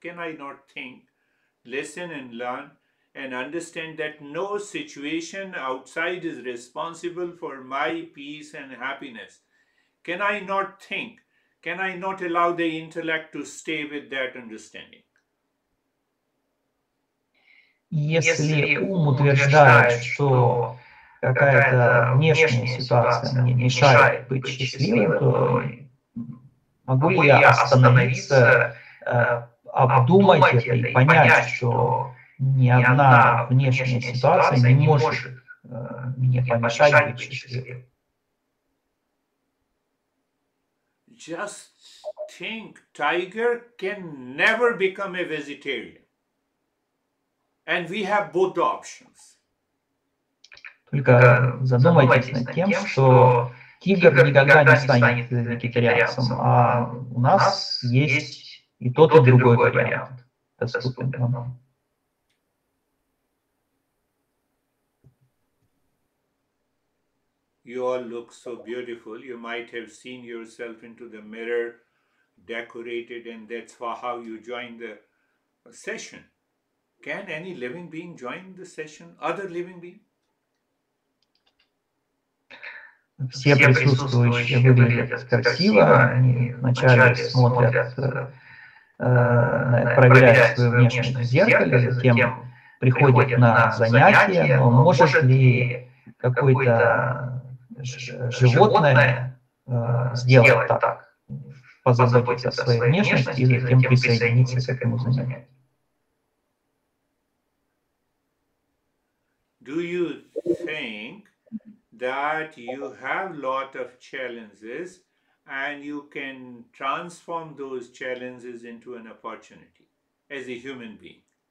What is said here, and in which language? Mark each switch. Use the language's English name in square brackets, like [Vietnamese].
[English] Can I not think, listen and learn and understand that no situation outside is responsible for my peace and happiness? Can I not think? Can I not allow the intellect to stay with that understanding? [Russian] Если ум утверждает, что какая-то внешняя ситуация мне мешает быть счастливым, то могу ли я остановиться, обдумать это и понять, что ни одна внешняя ситуация не может мне помешать быть счастливым? [English] Just think, tiger can never become a vegetarian. And we have both options. [Russian] Только задумайтесь над тем, что тигр никогда не станет вегетарианцем, а у нас есть и тот, и другой вариант. Доступен нам. [English] You all look so beautiful. You might have seen yourself into the mirror, decorated, and that's for how you joined the session. Can any living being join the session? Other living being? [Russian] Все присутствующие выглядят красиво. Они вначале смотрят, проверяют свое внешнее зеркало, затем приходят на занятия. Но может ли какое-то животное сделать так? Позаботиться о своей внешности и затем присоединиться к этому занятию? [English] Do you think that you have lot of challenges and you can transform those challenges into an opportunity as a human being?